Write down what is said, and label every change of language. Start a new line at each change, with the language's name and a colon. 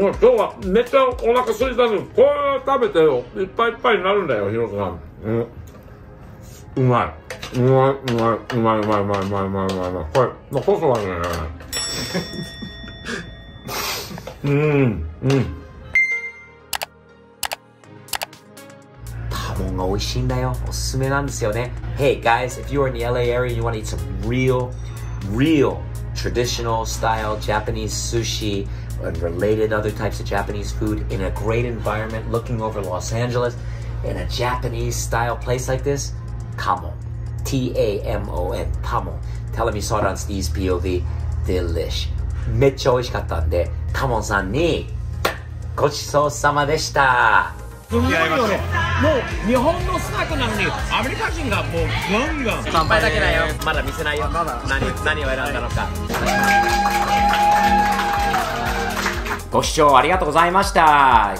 Japanese: うん、今日はめっちゃお腹空いたの、これ食べてよ、いっぱいいっぱいになるんだよ、ヒロさん、うん、うまい、うまい、うまい、うまい、うまい、うまい、うまい、うまい、うまい、これ残すわけね、美味しいんだよ、おすすめなんですよね。
English: Hey guys, if you are in the LA area and you want to eat some real, real traditional style Japanese sushi and related other types of Japanese food in a great environment looking over Los Angeles in a Japanese style place like this, Tamon, T-A-M-O-N, Tamon. Tell me, saw it on Steve's POV. Delish.
Japanese: めっちゃ美味しかったんで、タモンさんにごちそうさまでした。もう日本のスナックなのにアメリカ人がもうガンガン乾杯だけだよ、まだ見せないよ、まだ何を選んだのか、はい、ご視聴ありがとうございました。